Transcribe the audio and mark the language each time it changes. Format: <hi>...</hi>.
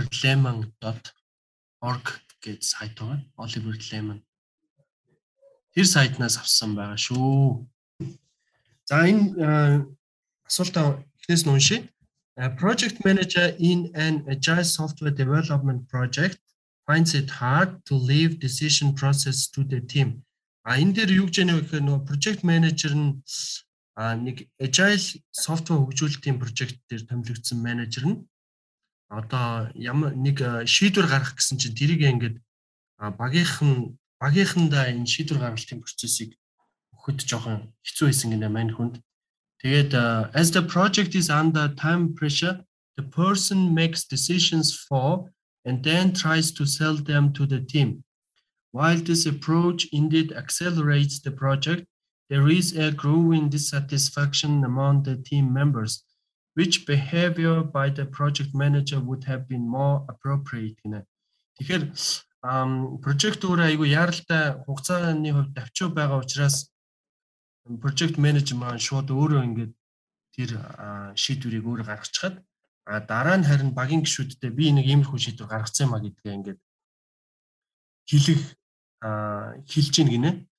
<mn>oliverleman.org гэж сайт байна. Oliverleman. Тэр сайтнаас авсан байгаа шүү. За энэ асуултаа эхнээс нь уншия.</mn> <en>A project manager in an agile software development project finds it hard to leave decision process to the team.</en> <mn>А энэ дээр юу гэж яах вэ гэхээр нөгөө project manager нь нэг agile software хөгжүүлэлтийн project дээр томилогдсон manager нь одоо ямар нэг шийдвэр гаргах гэсэн чинь тэрийг ингээд багийнхандаа энэ шийдвэр гаргалтын процессыг өгөхөд жоохон хэцүү байсан гэдэг нь мань хүнд.</mn> <en>Тэгээд as the project is under time pressure, the person makes decisions for and then tries to sell them to the team. While this approach indeed accelerates the project, there is a growing dissatisfaction among the team members. Which behavior by the project manager would have been more appropriate?</en> <mn>Тэгэхээр project өөрөө айгүй яаралтай хугацааны хувьд давчуу байгаа учраас project manager маань шууд өөрөө ингээд тэр шийдвэрийг өөрөө гаргачихад дараа нь харин багийн гишүүдтэй би нэг иймэрхүү шийдвэр гаргацсан юм а гэдгээ ингээд хэлэх хэлж ийн гинэ.</mn>